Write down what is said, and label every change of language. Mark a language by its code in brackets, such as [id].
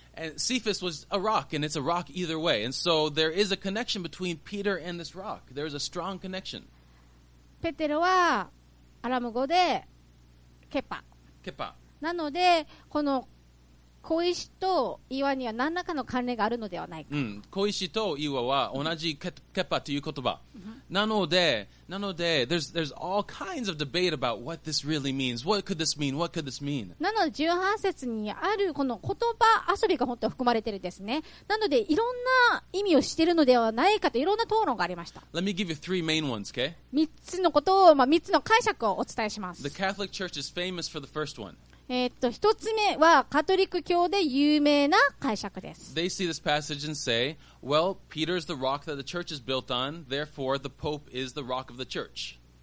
[en] And Cephas was a rock, and it's a rock either way. And so there is a connection between Peter and this rock. There is a strong connection. [ja] ペテロはアラム語でケパ。ケパ。なのでこの小石と岩には何らかの関連があるのではないか。うん、小石と岩は同じケパという言葉。なので [en] there's all kinds of debate about what this really means. What could this mean? What could this mean? [ja] なので18節にあるこの言葉遊びが本当含まれているですね。なのでいろんな意味をしているのではないかといろんな討論がありました。 [en] Let me give you three main ones, okay? [ja] 3つのことを、まあ、3つの解釈をお伝えします。 [en] The Catholic Church is famous for the first one. [ja] 一つ目はカトリック教で有名な解釈です。 [en] They see this passage and say, well, Peter is the rock that the church is built on, therefore the Pope is the rock of the church.